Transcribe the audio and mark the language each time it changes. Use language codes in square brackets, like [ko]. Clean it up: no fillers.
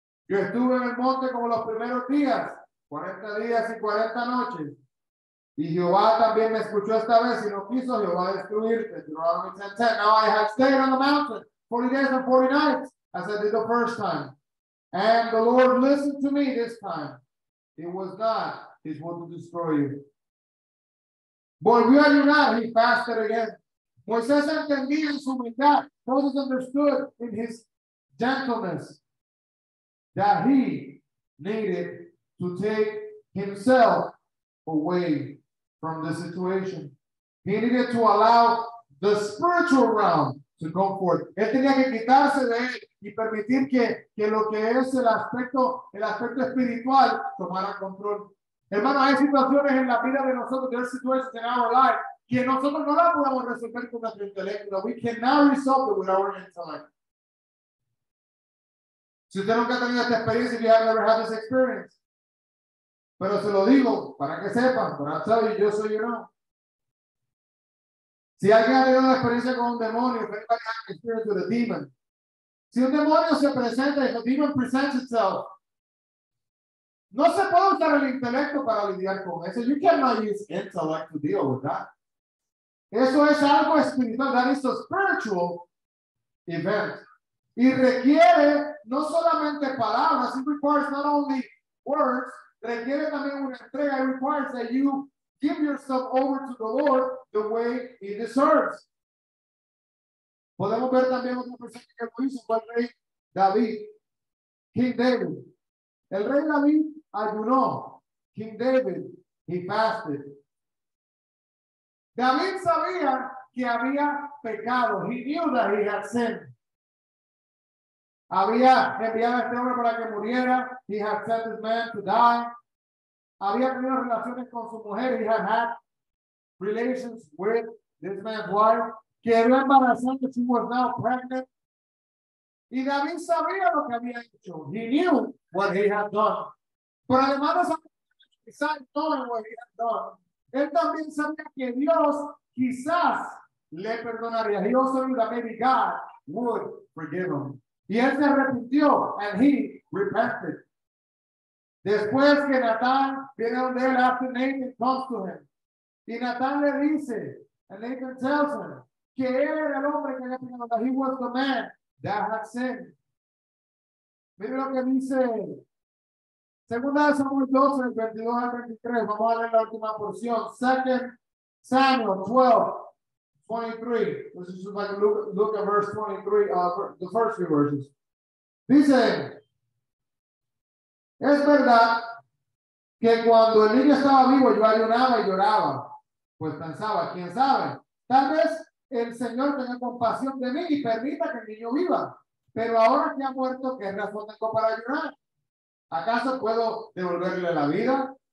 [es] Yo estuve en el monte como los primeros días, 40 días y 40 noches. Y Jehová también me escuchó esta vez y no quiso Jehová destruirte. [en] Deuteronomy 10:10. Now I have stayed on the mountain 40 days and 40 nights, as I did the first time. And the Lord listened to me this time. It was not his will to destroy you. [es] Volvió a ayunar, [en] he fasted again. [es] Moisés entendía en su humildad. [en] Moses understood in his gentleness that he needed to take himself away from the situation. He needed to allow the spiritual realm to go forth. [es] Él tenía que quitarse de él y permitir que lo que es el aspecto espiritual tomara control. Hermano, hay situaciones en la vida de nosotros, [en] there are situations in our life, [es] que nosotros no las podemos resolver con nuestro intelecto. [en] We cannot resolve it with our intellect. [es] Si usted nunca ha tenido esta experiencia, [en] if you have never had this experience, [es] pero se lo digo para que sepan, para saber, yo soy yo. Si alguien ha tenido una experiencia con un demonio, [en] if anybody has experience with a demon, [es] si un demonio se presenta, [en] if a demon presents itself, [es] no se puede usar el intelecto para lidiar con eso. [en] You cannot use intellect to deal with that. [es] Eso es algo espiritual. [en] That is a spiritual event. [es] Y requiere no solamente palabras. [en] It requires not only words. [es] Requiere también una entrega. [en] It requires that you give yourself over to the Lord the way he deserves. [es] Podemos ver también otra persona que lo hizo. Fue el rey David. King David. El rey David ayunó. [en] King David, he fasted. [es] David sabía que había pecado. [en] He knew that he had sinned. [es] Había enviado a este hombre para que muriera. [en] He had sent this man to die. [es] Había tenido relaciones con su mujer. [en] He had relations with this man's wife. [es] Quedó embarazada. [en] She was now pregnant. [es] Y David sabía lo que había hecho. [en] He knew what he had done. [es] Pero además de saber quizás todo lo que había hecho, él también sabía que Dios quizás le perdonaría. [en] He also knew that maybe God would forgive him. [es] Y él se arrepintió, [en] and he repented. [es] Después que Natán viene donde él, [en] after Nathan talks to him, [es] y Natán le dice, [en] and Nathan tells him, [es] que él era el hombre que había tenido, [en] that he was the man that had sinned. [es] Mira lo que dice Segunda de Samuel 12, 22 al 23. Vamos a leer la última porción. [en] Second Samuel 12, 23. This is like look at verse 23, the first few verses. [es] Dice, es verdad que cuando el niño estaba vivo, yo ayunaba y lloraba. Pues pensaba, quién sabe, tal vez el Señor tenga compasión de mí y permita que el niño viva. Pero ahora que ha muerto, ¿qué razón tengo para llorar? ¿Acaso puedo devolverle la vida?